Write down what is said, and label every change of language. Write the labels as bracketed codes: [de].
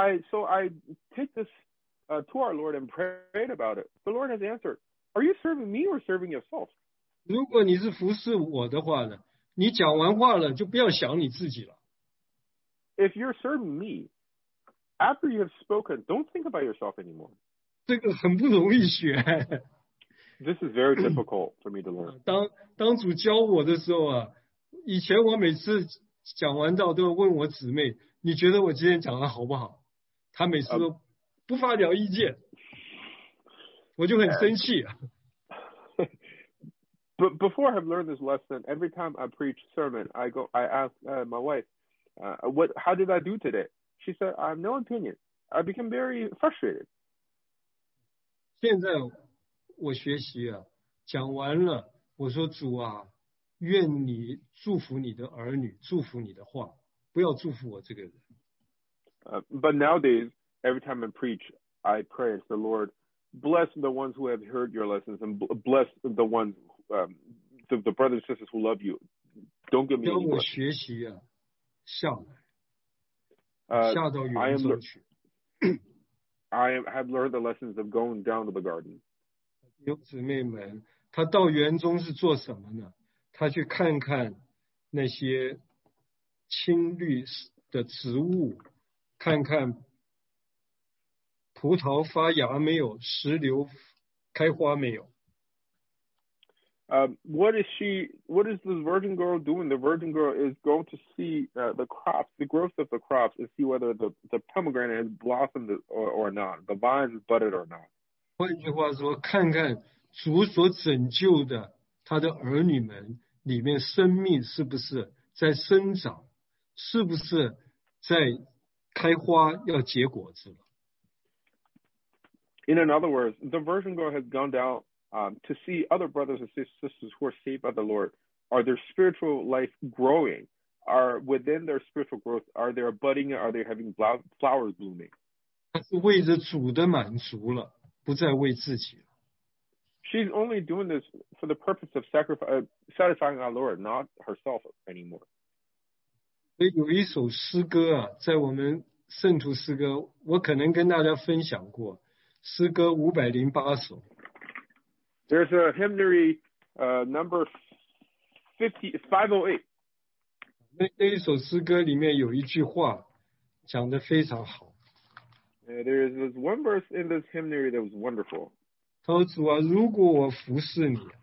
[en] So I take this to our Lord and prayed about it. The Lord has answered, are you serving me or serving yourself? [zh] 如果你是服侍我的话呢，你讲完话了就不要想你自己了。 [en] If you're serving me, after you have spoken, don't think about yourself anymore. [zh] 这个很不容易学。 [en] This is very difficult for me to learn. [zh] 当主教我的时候啊，以前我每次讲完道都要问我姊妹，你觉得我今天讲的好不好？她每次都不发表意见，我就很生气。 [en] But before I've learned this lesson, every time I preach sermon, I ask my wife, how did I do today? She said, I have no opinion. I became very frustrated. [zh] 现在我学习啊，讲完了，我说主啊，愿你祝福你的儿女，祝福你的话，不要祝福我这个人。 [en] But nowadays, every time I preach, I pray the Lord bless the ones who have heard your lessons and bless the ones the brothers and sisters who love you. Don't give me any questions. [zh] 让我学习啊，下来，下到园子去。 [en] I have learned the lessons of going down to the garden. [zh] 有姊妹们，她到园中是做什么呢？她去看看那些青绿的植物，看看葡萄发芽没有，石榴开花没有。 [en] What is the virgin girl doing? The virgin girl is going to see the crops, the growth of the crops, and see whether the pomegranate has blossomed or not, the vine has budded or not. [zh] 换句话说，看看主所拯救的他的儿女们里面生命是不是在生长，是不是在开花要结果子了。 [en] In another words, the virgin girl has gone down to see other brothers and sisters who are saved by the Lord. Are their spiritual life growing? Are within their spiritual growth, are they budding? Are they having flowers blooming? [zh] 她是为着主的满足了。不再为自己了。 [en] She's only doing this for the purpose of satisfying our Lord, not herself anymore. [zh] 所以有一首诗歌啊，在我们圣徒诗歌，我可能跟大家分享过，诗歌508首。 [en] There's a hymnary number 508. [zh] 那一首诗歌里面有一句话讲得非常好。 [en] There is this one verse in this hymnary that was wonderful. [zh] 他说主啊，如果我服侍你。